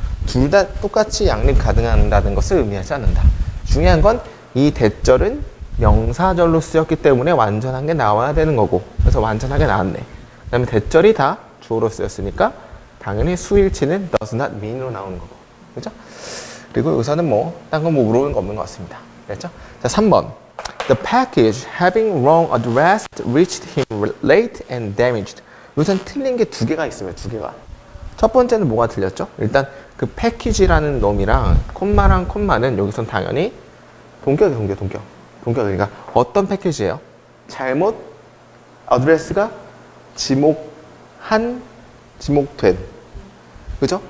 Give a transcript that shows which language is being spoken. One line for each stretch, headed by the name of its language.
Korean: 둘다 똑같이 양립 가능한다는 것을 의미하지 않는다. 중요한 건이 대절은 명사절로 쓰였기 때문에 완전한 게 나와야 되는 거고, 그래서 완전하게 나왔네. 그다음에 대절이 다 주어로 쓰였으니까 당연히 수일치는
English: does not mean
Korean: 으로 나오는 거고. 그죠? 그리고 여기서는 뭐 딴 거 뭐 물어보는 거 없는 것 같습니다. 그렇죠? 자, 3번.
English: The package having wrong address reached him late and damaged.
Korean: 우선 틀린 게 두 개가 있습니다. 두 개가. 첫 번째는 뭐가 틀렸죠? 일단 그 패키지라는 놈이랑 콤마랑 콤마는 여기선 당연히 동격이에요. 동격, 동격. 동격. 그러니까 어떤 패키지예요? 잘못 어드레스가 지목한 지목된. 그죠?